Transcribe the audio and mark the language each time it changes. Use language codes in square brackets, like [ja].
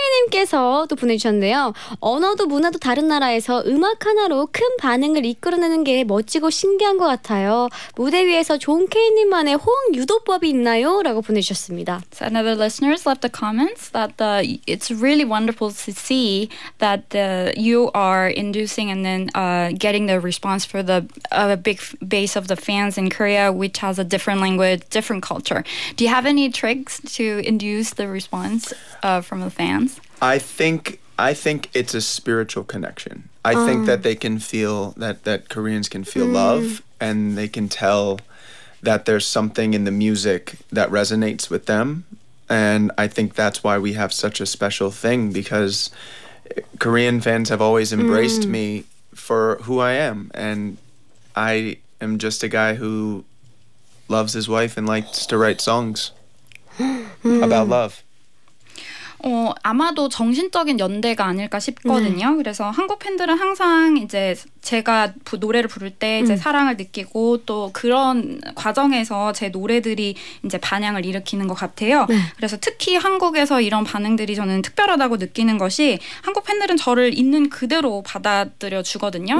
[ko] 3327님께서 또 보내주셨는데요. 언어도 문화도 다른 나라에서 음악 하나로 큰 반응을 이끌어내는 게 멋지고 신기한 것 같아요. 무대 위에서 존 케이님만의 호응 유도법이 있나요? 라고 보내주셨습니다. [en] So another listeners left the comments that the, it's really wonderful to see that the, you are inducing and then getting the response for the big base of the fans in Korea, which has a different language, different culture. Do you have any tricks to induce the response from the fans? I think it's a spiritual connection. I think that they can feel that Koreans can feel love, and they can tell that there's something in the music that resonates with them. And I think that's why we have such a special thing, because Korean fans have always embraced me for who I am, and I am just a guy who loves his wife and likes to write songs. About love. [ko] 아마도 정신적인 연대가 아닐까 싶거든요. 그래서 한국 팬들은 항상 이제 제가 노래를 부를 때 이제 사랑을 느끼고 또 그런 과정에서 제 노래들이 이제 반향을 일으키는 것 같아요. 그래서 특히 한국에서 이런 반응들이 저는 특별하다고 느끼는 것이 한국 팬들은 저를 있는 그대로 받아들여 주거든요.